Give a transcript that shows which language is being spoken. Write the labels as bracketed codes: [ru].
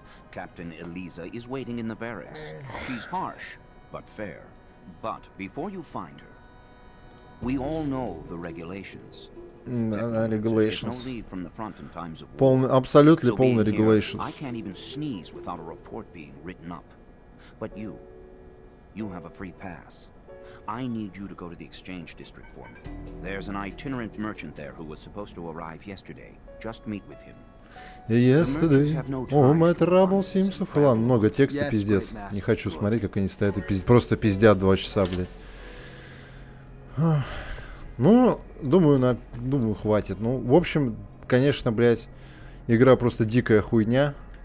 [en] Captain Eliza is waiting in the barracks. She's harsh, but fair. But before you find her, we all know the regulations. Regulations. [ru] Полный, абсолютно полный regulations. [en] I can't even sneeze without a report being written up. But you have a free pass. I need you to go to the exchange district for me. There's an itinerant merchant there who was supposed to arrive yesterday. Just meet with him. [ru] Yesterday. О, мой трабл Симсу. Ладно, много текста, пиздец. Не хочу смотреть, как они стоят и просто пиздят 2 часа, блядь. Ну, думаю, хватит. Ну, в общем, конечно, блядь, игра просто дикая хуйня.